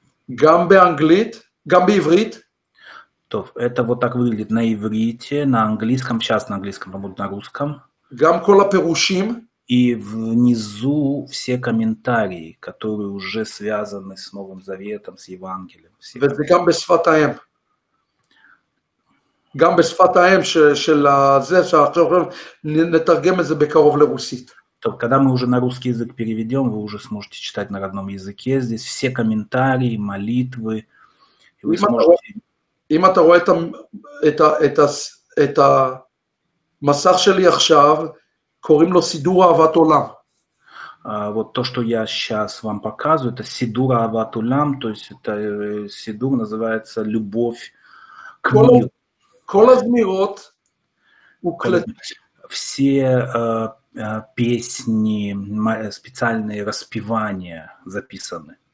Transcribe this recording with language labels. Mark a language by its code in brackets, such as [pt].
[he] Гам бе англит? גם בעברית? [ru] טוב, это вот так выглядит на иврите, на английском, сейчас на английском, а будет на русском. [he] גם כל הפירושים? [ru] И внизу все комментарии, которые уже связаны с Новым Заветом, с Евангелием. [he] וזה גם בשפת האם. גם בשפת האם של זה, שאנחנו נתרגם את זה בקרוב לרוסית. [ru] Так, когда мы уже на русский язык переведём, вы уже сможете читать на родном языке. Здесь все комментарии, молитвы. [he] אם אתה רואה את את את את המסך שלי עכשיו, קוראים לו סידור אהבת עולם. [ru] Вот то, что я сейчас вам показываю, это сидура аватулям, то есть это сидур называется «Любовь к миру». Все песни, специальные распевания записаны.